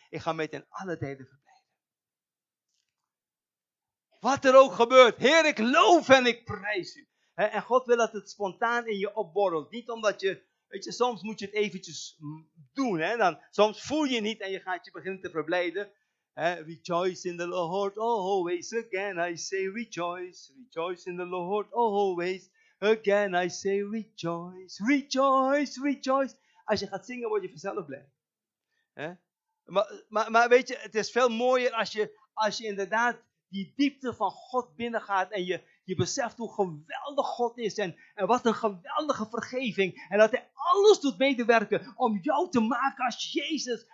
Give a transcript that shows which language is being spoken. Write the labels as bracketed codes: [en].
[nl] Ik ga mij ten alle tijden verblijden. Wat er ook gebeurt. Heer, ik loof en ik prijs u. En God wil dat het spontaan in je opborrelt. Niet omdat je, weet je, soms moet je het eventjes doen. Hè? Dan, soms voel je niet en je gaat je beginnen te verblijden. [en] Rejoice in the Lord always. Again I say rejoice. Rejoice in the Lord always. Again I say rejoice. Rejoice, rejoice. [nl] Als je gaat zingen, word je vanzelf blij. Maar weet je, het is veel mooier als je inderdaad die diepte van God binnengaat en je beseft hoe geweldig God is en wat een geweldige vergeving en dat hij alles doet medewerken om jou te maken als Jezus.